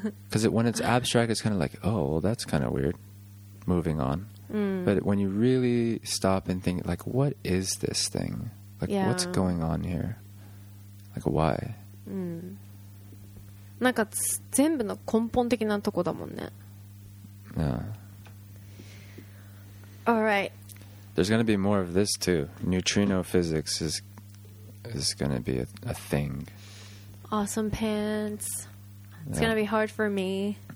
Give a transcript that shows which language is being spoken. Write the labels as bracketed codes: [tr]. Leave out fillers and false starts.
[en] Because when it's abstract, it's kind of like, oh, well, that's kind of weird. Moving on.、But when you really stop and think, like, what is this thing? Like,、yeah. what's going on here? Like, why?、 [ja] なんか全部の根本的なとこだもんね。 [en] Yeah. All right. There's going to be more of this too. Neutrino physics is going to be a thing. Awesome pants. It's、yeah. going to be hard for me.